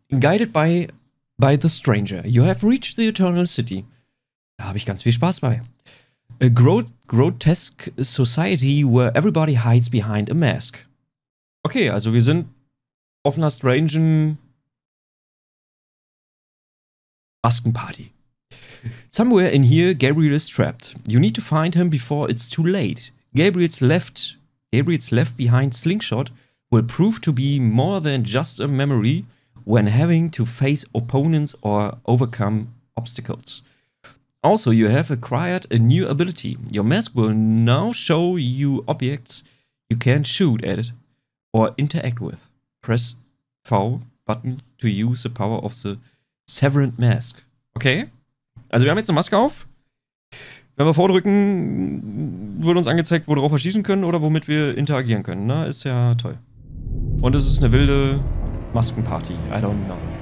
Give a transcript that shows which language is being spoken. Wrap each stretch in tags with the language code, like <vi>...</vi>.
<en>Guided by the Stranger. You have reached the Eternal City.</en> <de>Da habe ich ganz viel Spaß bei.</de> <en>A grotesque society where everybody hides behind a mask.</en> <de>Okay, also wir sind auf einer strangen Maskenparty.</de> <en>Somewhere in here, Gabriel is trapped. You need to find him before it's too late. Gabriel's left behind slingshot will prove to be more than just a memory when having to face opponents or overcome obstacles. Also, you have acquired a new ability. Your mask will now show you objects you can shoot at or interact with. Press V button to use the power of the Severant Mask.</en> <de>Okay, also wir haben jetzt eine Maske auf. Wenn wir vordrücken, wird uns angezeigt, worauf wir schießen können oder womit wir interagieren können. Na, ist ja toll. Und es ist eine wilde Maskenparty.</de> <en>I don't know.</en>